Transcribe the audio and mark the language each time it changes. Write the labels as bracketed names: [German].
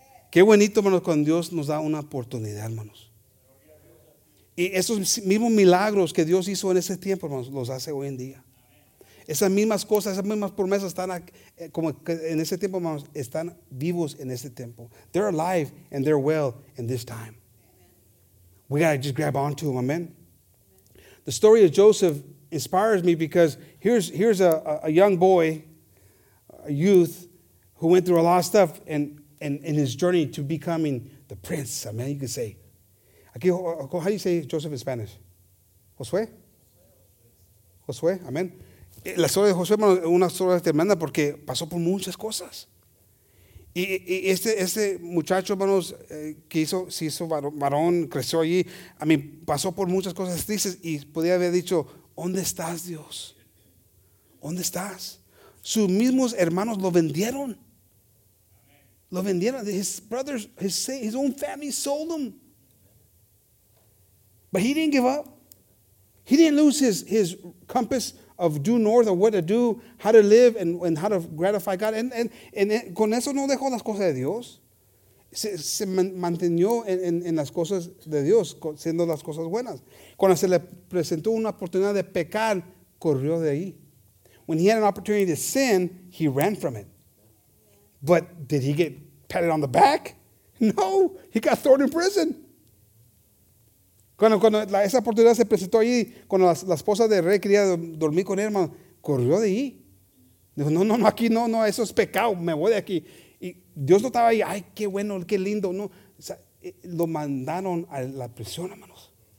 [Spanish] Qué bonito, hermanos, cuando Dios nos da una oportunidad, hermanos. Y esos mismos milagros que Dios hizo en ese tiempo, hermanos, los hace hoy en día. Esas mismas cosas, esas mismas promesas están como en ese tiempo, hermanos, están vivos en ese tiempo. [English] They're alive and they're well in this time. We got to just grab onto them, amen? The story of Joseph inspires me because here's a young boy, a youth, who went through a lot of stuff and in his journey to becoming the prince, amen, you could say. How do you say Joseph in Spanish? Josué? Josué, amen. [Spanish] La historia de José, hermano, es una historia tremenda porque pasó por muchas cosas. Y este muchacho, hermanos, que se hizo varón, creció allí, a mí pasó por muchas cosas tristes y podía haber dicho, ¿dónde estás, Dios? ¿Dónde estás? Sus mismos hermanos lo vendieron. Lo vendieron. [English] His brothers, his own family sold him. But he didn't give up. He didn't lose his compass of due north, or what to do, how to live, and how to gratify God. [Spanish] And con eso no dejó las cosas de Dios. Se mantenió en las cosas de Dios, siendo las cosas buenas. Cuando se le presentó una oportunidad de pecar, corrió de ahí. [English] When he had an opportunity to sin, he ran from it. But did he get patted on the back? No, he got thrown in prison. [Spanish] Cuando esa oportunidad se presentó allí, cuando la esposa del rey quería dormir con él, hermano, corrió de ahí. Dijo, no, aquí no, eso es pecado, me voy de aquí. Y Dios no estaba ahí, ay, qué bueno, qué lindo. No, o sea, lo mandaron a la prisión, hermanos.